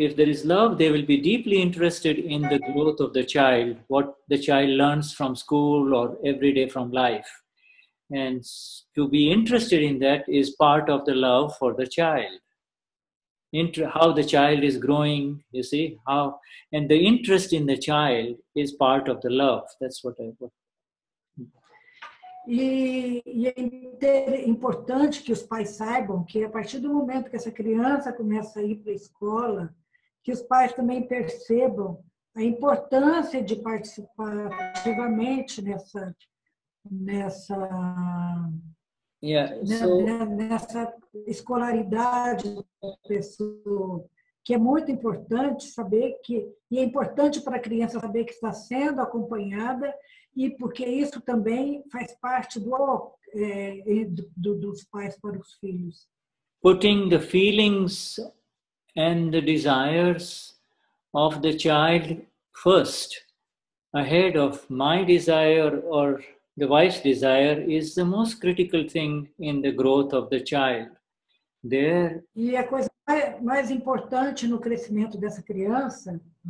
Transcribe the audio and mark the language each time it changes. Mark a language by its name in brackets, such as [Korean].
[English] If there is love, they will be deeply interested in the growth of the child, what the child learns from school or every day from life. And to be interested in that is part of the love for the child. How the child is growing, you see, how, and the interest in the child is part of the love. That's what I want. [Portuguese] E é importante que os pais saibam que a partir do momento que essa criança começa a ir para a escola, que os pais também percebam a importância de participar ativamente nessa escolaridade da pessoa, que é muito importante saber que, e é importante para a criança saber que está sendo acompanhada. E porque isso também faz parte dos pais para os filhos. [English] Putting the feelings and the desires of the child first, ahead of my desire or the wife's desire, is the most critical thing in the growth of the child. There. [Portuguese] E a coisa mais importante no crescimento dessa criança.